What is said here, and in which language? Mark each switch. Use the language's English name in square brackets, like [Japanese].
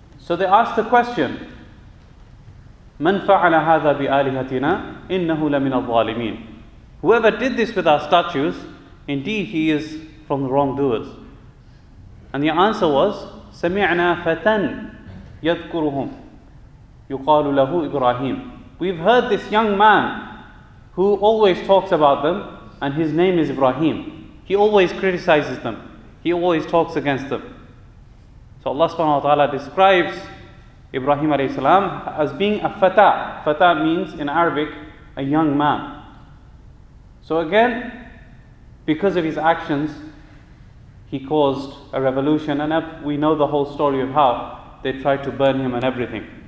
[English] So they asked the question, [Arabic] من فعل هذا بآلهتنا إنه لمن الظالمين. [English] Whoever did this with our statues, indeed he is from the wrongdoers. And the answer was, [Arabic] سمعنا فتى يذكرهم يقال له إبراهيم. [English] We've heard this young man who always talks about them, and his name is Ibrahim. He always criticizes them. He always talks against them. So Allah subhanahu wa ta'ala describes Ibrahim alayhi salam as being a fata. Fata means in Arabic a young man. So again, because of his actions, he caused a revolution, and we know the whole story of how they tried to burn him and everything.